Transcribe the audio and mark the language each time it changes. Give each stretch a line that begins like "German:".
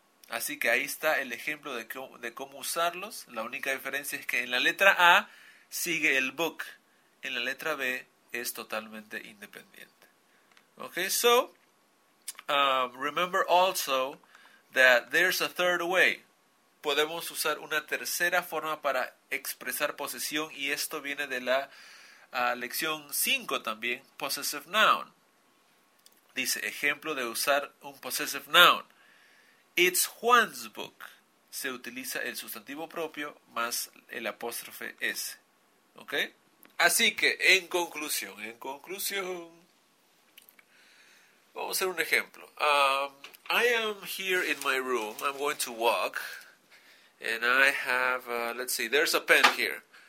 Spanish: Así que ahí está el ejemplo de cómo usarlos. La única diferencia es que en la letra A sigue el book. En la letra B es totalmente independiente. ¿Ok?
English: So, remember also that there's a third way.
Spanish: Podemos usar una tercera forma para expresar posesión y esto viene de la lección 5 también, possessive noun. Dice, ejemplo de usar un possessive noun.
English: It's Juan's book.
Spanish: Se utiliza el sustantivo propio más el apóstrofe S. ¿Ok? Así que, en conclusión, vamos a hacer un ejemplo.
English: I am here in my room. I'm going to walk. And I have, let's see, there's a pen here.